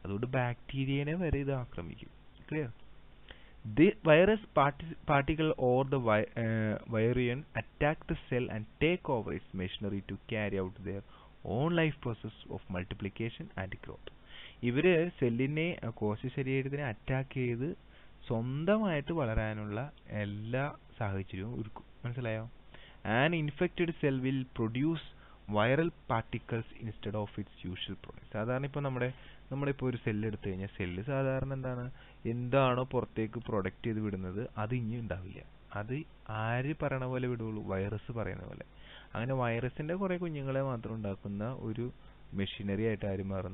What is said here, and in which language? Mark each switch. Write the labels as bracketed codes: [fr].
[ml] അതുകൊണ്ട് ബാക്ടീരിയനെ വരെ ഇത് ആക്രമിക്കും. [en] Clear? The virus particle or the virion attack the cell and take over its machinery to carry out their own life process of multiplication and growth. [ml] ഇവർ സെല്ലിനെ, കോശ ശരീരത്തിനെ അറ്റാക്ക് ചെയ്ത് സ്വന്തമായിട്ട് വളരാനുള്ള എല്ലാ സാഹചര്യവും ഒരുക്കും. മനസ്സിലായോ? [en] An infected cell will produce viral particles instead of its usual product. [ml] സാധാരണ ഇപ്പോ നമ്മുടെ ഇപ്പോ ഒരു സെല്ല് എടുത്തു കഴിഞ്ഞാൽ സെല്ല് സാധാരണ എന്താണ് എന്താണോ പുറത്തേക്ക് പ്രൊഡക്റ്റ് ചെയ്ത് വിടുന്നത് അത് ഇനി ഉണ്ടാവില്ല. അത് ആര് പറയണ പോലെ വിടുള്ളൂ? വൈറസ് പറയുന്ന പോലെ. അങ്ങനെ വൈറസിന്റെ കുറെ കുഞ്ഞുങ്ങളെ മാത്രം ഉണ്ടാക്കുന്ന ഒരു മെഷീനറി ആയിട്ട് ആര് മാറും?